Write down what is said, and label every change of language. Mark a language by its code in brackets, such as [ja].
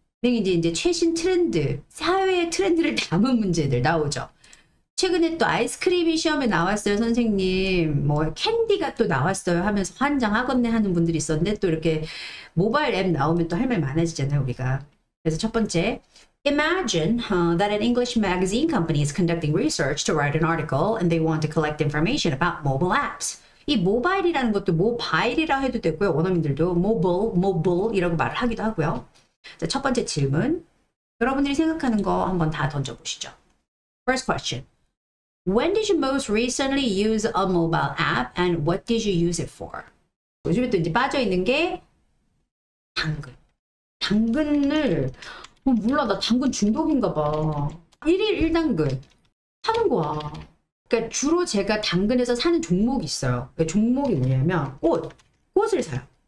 [ko] 이제 최신 트렌드, 사회의 트렌드를 담은 문제들 나오죠. 최근에 또 아이스크림이 시험에 나왔어요, 선생님. 뭐, 캔디가 또 나왔어요 하면서 환장하겠네 하는 분들이 있었는데 또 이렇게 모바일 앱 나오면 또할말 많아지잖아요, 우리가. 그래서 첫 번째. [en] Imagine, that an English magazine company is conducting research to write an article and they want to collect information about mobile apps. [ko] 이 모바일이라는 것도 모바일이라 해도 되고요. 원어민들도 모블이라고 말을 하기도 하고요. 자, 첫 번째 질문. 여러분들이 생각하는 거 한번 다 던져보시죠. [en] First question. When did you most recently use a mobile app and what did you use it for? [ko] 요즘에 또 이제 빠져있는 게 당근. 당근을, 몰라, 나 당근 중독인가 봐. 1일 1당근. 사는 거야. 그러니까 주로 제가 당근에서 사는 종목이 있어요. 그 종목이 뭐냐면 꽃. 꽃을 사요.